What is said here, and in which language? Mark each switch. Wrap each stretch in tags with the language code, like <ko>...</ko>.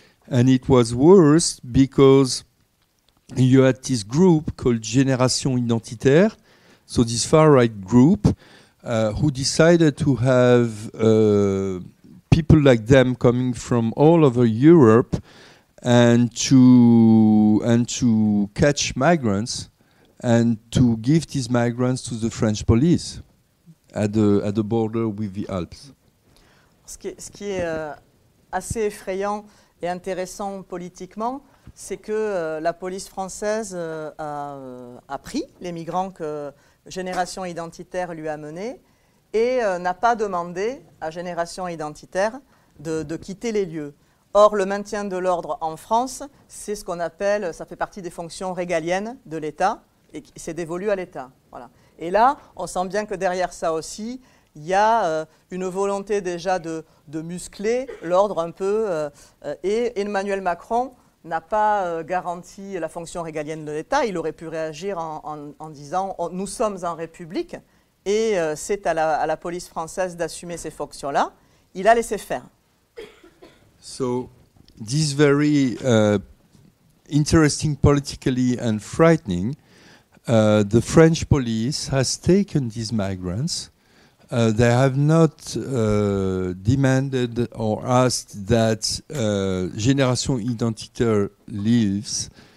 <en>And it was worse because you had this group called Génération Identitaire, so this far right group, who decided to have people like them coming from all over Europe and to catch migrants and to give these migrants to the French police at the border with the Alps.</en> <fr>Ce qui est assez effrayant et intéressant politiquement, c'est que la police française a pris les migrants que Génération Identitaire lui a menés et n'a pas demandé à Génération Identitaire de quitter les lieux. Or, le maintien de l'ordre en France, c'est ce qu'on appelle, ça fait partie des fonctions régaliennes de l'État, et c'est dévolu à l'État. Voilà. Et là, on sent bien que derrière ça aussi, il y a une volonté déjà de muscler l'ordre un peu. Et Emmanuel Macron n'a pas garanti la fonction régalienne de l'État. Il aurait pu réagir en disant « nous sommes en République et c'est à la police française d'assumer ces fonctions-là ». Il a laissé faire.</fr> <en>So, this very interesting politically and frightening, the French police has taken these migrants. They have not demanded or asked that Génération Identitaire leaves.</en>